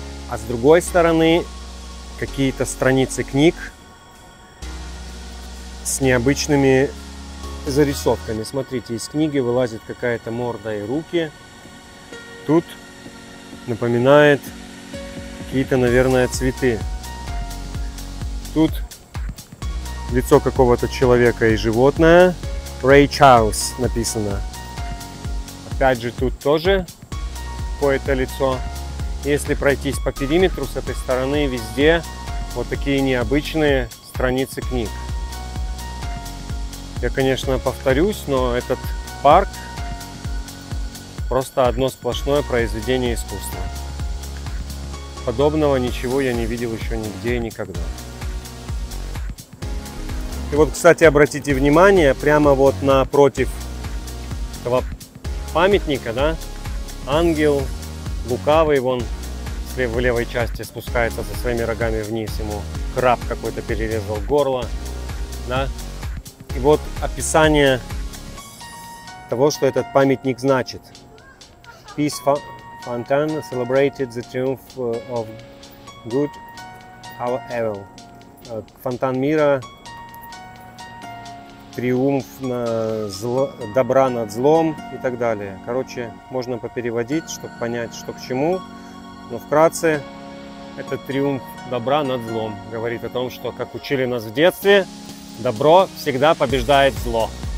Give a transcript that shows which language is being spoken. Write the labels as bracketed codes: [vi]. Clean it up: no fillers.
[ru] А с другой стороны, какие-то страницы книг с необычными зарисовками. Смотрите, из книги вылазит какая-то морда и руки. Тут напоминает какие-то, наверное, цветы. Тут лицо какого-то человека и животное. Ray Charles написано. Опять же, тут тоже какое-то лицо. Если пройтись по периметру с этой стороны, везде вот такие необычные страницы книг. Я, конечно, повторюсь, но этот парк просто одно сплошное произведение искусства. Подобного ничего я не видел еще нигде и никогда. И вот, кстати, обратите внимание, прямо вот напротив этого памятника, да, ангел лукавый, вон в левой части спускается со своими рогами вниз, ему краб какой-то перерезал горло, да. И вот описание того, что этот памятник значит. [en] Peace Fountain celebrated the triumph of good over evil. [ru] Фонтан мира, триумф на добра над злом и так далее. Короче, можно попереводить, чтобы понять, что к чему. Но вкратце, это триумф добра над злом. Говорит о том, что, как учили нас в детстве, добро всегда побеждает зло.